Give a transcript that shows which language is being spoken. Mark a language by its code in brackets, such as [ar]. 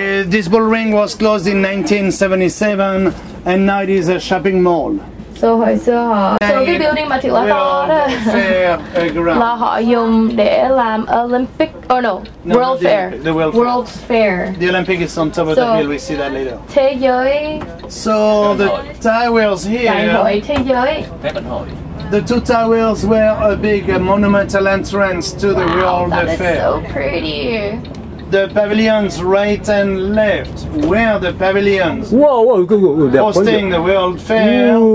[en] This ball ring was closed in 1977 and now it is a shopping mall. [vi] So hồi xưa họ xây cái building mà thiệt là to đó là họ dùng để làm Olympic World Fair. [en] World Fair. The Olympic is on top of the hill. We see that later. [vi] Thế giới. [en] So the towers here. [vi] Đại hội thế giới. [en] The two towers were a big monumental entrance to the World Fair. Wow, that is so pretty. The pavilions right and left were the pavilions hosting the World Fair.